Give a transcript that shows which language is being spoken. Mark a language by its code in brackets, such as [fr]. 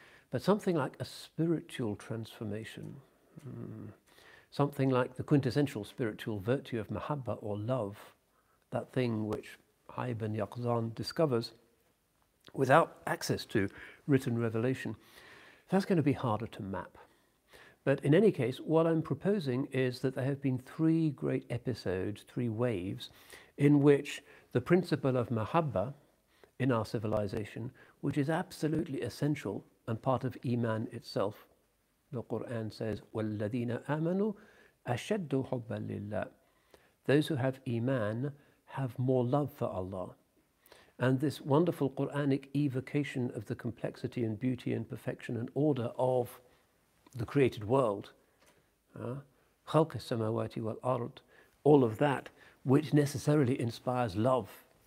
[en] But something like a spiritual transformation, something like the quintessential spiritual virtue of mahabba or love, that thing which Hai ibn Yaqzan discovers without access to written revelation, that's going to be harder to map. But in any case, what I'm proposing is that there have been three great episodes, three waves, in which the principle of mahabba in our civilization, which is absolutely essential and part of iman itself. The Quran says, [ar] وَالَّذِينَ آمَنُوا أَشَدُّ حُبَّا لِلَّهِ. [en] Those who have iman have more love for Allah. And this wonderful Quranic evocation of the complexity and beauty and perfection and order of the created world, [ar] خَلْقِ السَّمَوَاتِ وَالْأَرْضِ, [en] all of that, which necessarily inspires love.